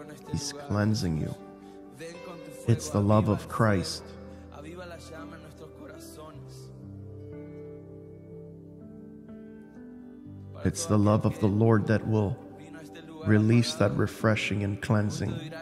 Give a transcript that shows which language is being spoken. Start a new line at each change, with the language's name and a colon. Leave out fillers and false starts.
English: He's cleansing you. It's the love of Christ
Spanish: aviva la llama en nuestros corazones.
English: It's the love of the Lord that will release that refreshing and cleansing.